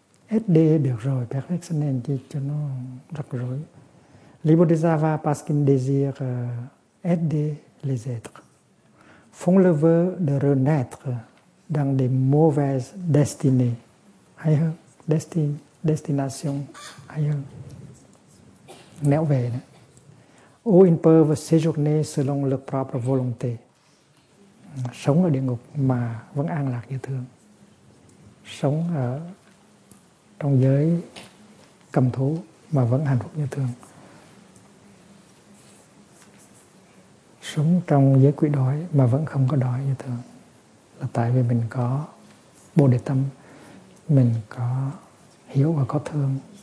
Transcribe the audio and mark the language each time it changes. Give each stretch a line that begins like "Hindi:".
Vietnamese: SD được rồi, perfectionner thì cho nó rắc rối.
French: Les bodhisattvas parce qu'ils désirent aider les êtres font le vœu de renaître dans des mauvaises destinées.
Vietnamese: Hay hơn, destination, hay hơn. Néo về nữa.
French: Ou ils peuvent séjourner selon leur propre volonté.
Vietnamese: Sống ở địa ngục mà vẫn an lạc như thường. Sống ở trong giới cầm thú mà vẫn hạnh phúc như thường. Sống trong giới quỷ đói mà vẫn không có đói như thường. Là tại vì mình có Bồ Đề Tâm, mình có hiểu và có thương.